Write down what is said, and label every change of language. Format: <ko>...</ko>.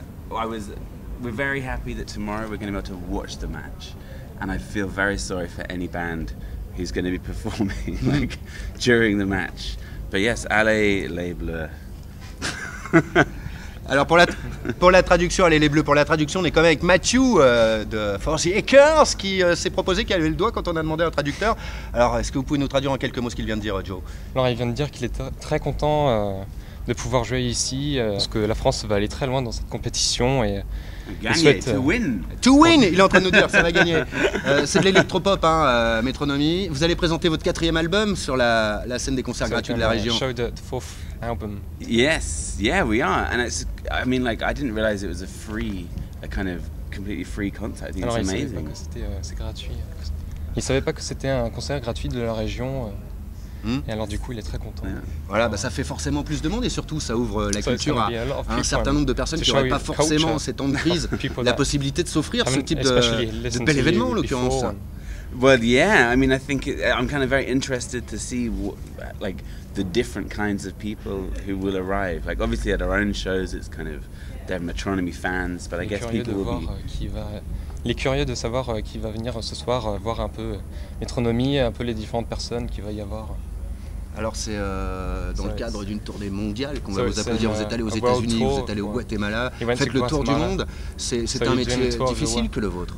<en>We're very happy that tomorrow we're going to be able to watch the match. And I feel very sorry for any band who's going to be performing like during the match. But yes,</en> <fr>allez les bleus. Alors pour la traduction, allez les bleus, pour la traduction, on est quand même avec Mathieu de Forge Acres qui s'est proposé, qui a levé le doigt quand on a demandé un traducteur. Alors est-ce que vous pouvez nous traduire en quelques mots ce qu'il vient de dire, Joe? Alors il vient de dire qu'il est très content de pouvoir jouer ici, parce que la France va aller très loin dans cette compétition et gagner, souhaite,</fr> <en>to win. To win,</en> <fr>il est en train de nous dire, ça va gagner. C'est de l'électropop, hein, Metronomy. Vous allez présenter votre quatrième album sur la scène des concerts gratuits de la région.</fr> <en>Show the fourth album. Yes, yeah, we are. And it's, I mean, like, I didn't realize it was a kind of completely free concert. I think</en> <fr>alors,</fr> <en>it's amazing.</en> <fr>Il savait pas que c'était c'est gratuit. Il savait pas que c'était un concert gratuit de la région. Et alors du coup il est très content. Voilà, bah, ça fait forcément plus de monde et surtout ça ouvre la culture à un certain nombre de personnes qui n'auraient pas forcément ces temps de crise la possibilité de s'offrir ce type de bel événement en l'occurrence.</fr> <en>Well yeah, I mean I think I'm kind of very interested to see like the different kinds of people who will arrive. Like obviously at our own shows it's kind of they're Metronomy fans, but I guess people will be</en> <fr>les curieux de savoir qui va venir ce soir voir un peu Metronomy, un peu les différentes personnes qu'il va y avoir. Alors c'est dans le cadre d'une tournée mondiale qu'on va vous applaudir. Vous êtes allé aux États-Unis, vous êtes allé au Guatemala, vous faites le tour du monde. C'est un métier difficile que le vôtre.</fr>